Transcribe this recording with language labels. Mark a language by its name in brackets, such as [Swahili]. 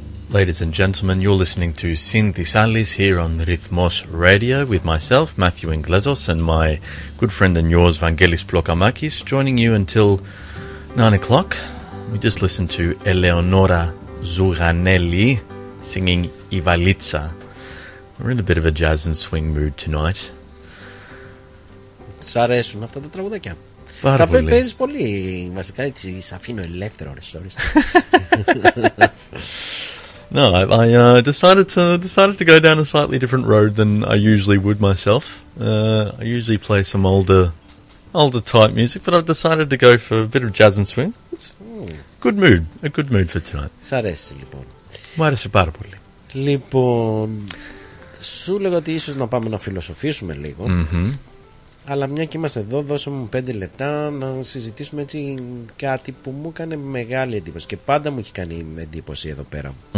[English] Ladies and gentlemen, you're listening to Synthisalis here on Rhythmos Radio with myself, Matthew Inglesos, and my good friend and yours, Vangelis Plokamakis, joining you until 9 o'clock. We just listened to Eleonora Zuganelli singing Ivalitsa. We're in a bit of a jazz and swing mood tonight. [Greek] Σ' αρέσουν αυτά τα τραγουδάκια. Πάρα πολύ. Τα παίζεις πολύ, βασικά έτσι, σ' αφήνω ελεύθερο, ρε, sorry. [English] No, I decided to go down a slightly different road than I usually would myself. I usually play some older type music, but I've decided to go for a bit of jazz and swing. It's a good mood for tonight. [Greek] Σ' αρέσει, λοιπόν. Μου άρεσε πάρα πολύ. Λοιπόν, σου λέγω ότι ίσως να πάμε να φιλοσοφήσουμε λίγο. Mm-hmm. Αλλά μια και είμαστε εδώ, δώσε μου 5 λεπτά να συζητήσουμε έτσι κάτι που μου έκανε μεγάλη εντύπωση και πάντα μου έχει κάνει εντύπωση εδώ πέρα.